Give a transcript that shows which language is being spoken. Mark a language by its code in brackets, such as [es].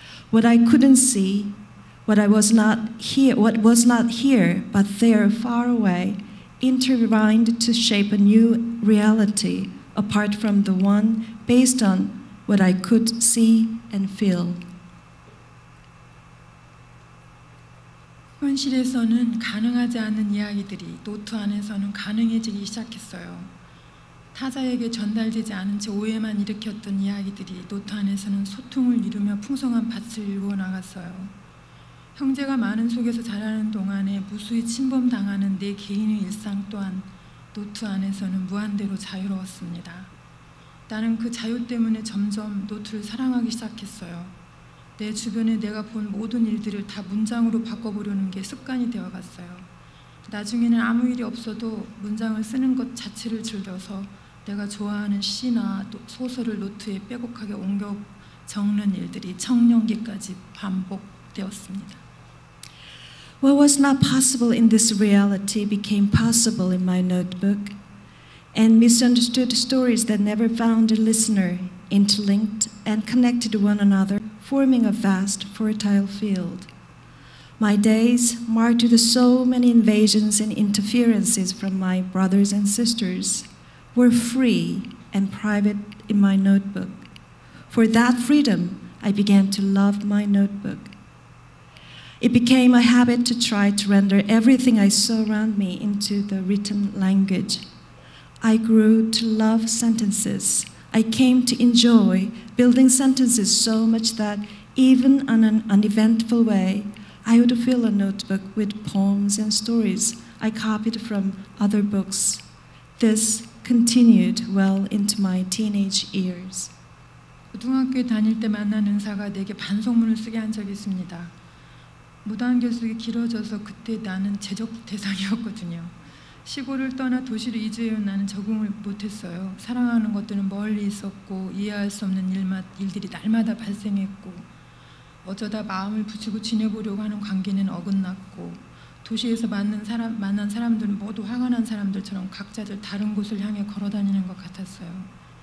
[en] What I couldn't see, what was not here, but there, far away, intertwined to shape a new reality apart from the one based on what I could see and feel. [ko] 현실에서는 가능하지 않은 이야기들이 노트 안에서는 가능해지기 시작했어요. 타자에게 전달되지 않은 채 오해만 일으켰던 이야기들이 노트 안에서는 소통을 이루며 풍성한 밭을 일구어 나갔어요. 형제가 많은 속에서 자라는 동안에 무수히 침범당하는 내 개인의 일상 또한 노트 안에서는 무한대로 자유로웠습니다. 나는 그 자유 때문에 점점 노트를 사랑하기 시작했어요. 내 주변에 내가 본 모든 일들을 다 문장으로 바꿔보려는 게 습관이 되어갔어요. 나중에는 아무 일이 없어도 문장을 쓰는 것 자체를 즐겨서 내가 좋아하는 시나 소설을 노트에 빼곡하게 옮겨 적는 일들이 청년기까지 반복되었습니다. [en] What was not possible in this reality became possible in my notebook, and misunderstood stories that never found a listener interlinked and connected one another, forming a vast, fertile field. My days, marked with so many invasions and interferences from my brothers and sisters, were free and private in my notebook. For that freedom, I began to love my notebook. It became a habit to try to render everything I saw around me into the written language. I grew to love sentences. I came to enjoy building sentences so much that Even on an uneventful way, I would fill a notebook with poems and stories I copied from other books. This continued well into my teenage years. [ko] 고등학교 다닐 때 만난 은사가 내게 반성문을 쓰게 한 적이 있습니다. 무단 결석이 길어져서 그때 나는 제적 대상이었거든요. 시골을 떠나 도시를 이주해온 나는 적응을 못했어요. 사랑하는 것들은 멀리 있었고 이해할 수 없는 일들이 날마다 발생했고 어쩌다 마음을 붙이고 지내보려고 하는 관계는 어긋났고 도시에서 만난 사람들은 모두 화가 난 사람들처럼 각자들 다른 곳을 향해 걸어다니는 것 같았어요.